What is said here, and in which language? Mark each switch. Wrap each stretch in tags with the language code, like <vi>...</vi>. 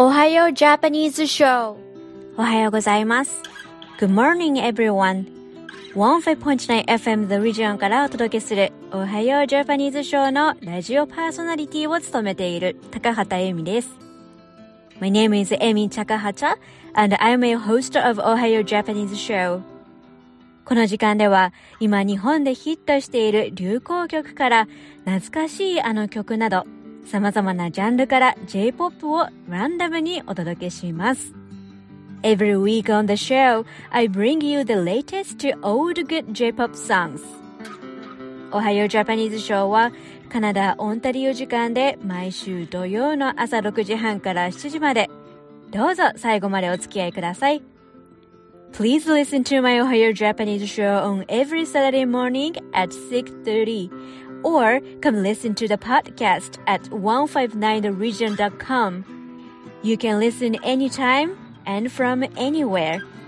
<ja>おはようジャパニーズショー。おはようございます。</ja> <en>Good morning everyone。</en> <ja>15.9 FM The Region からお届けするおはようジャパニーズショーのラジオパーソナリティを務めている高畑由美です。</ja> <en>My name is Amy Takahata, and I'm a host of Ohio Japanese Show.</en> <ja>この時間では、今日本でヒットしている流行曲から、懐かしいあの曲など、様々なジャンルから J-POP をランダムにお届けします。</ja> <en>Every week on the show, I bring you the latest to old good J-POP songs.</en> <ja>Ohio Japanese Show は、カナダ・オンタリオ時間で毎週土曜の朝6時半から7時まで。どうぞ最後までお付き合いください。</ja> <en>Please listen to my Ohio Japanese show on every Saturday morning at 6:30 or come listen to the podcast at 159theregion.com. You can listen anytime and from anywhere.</en>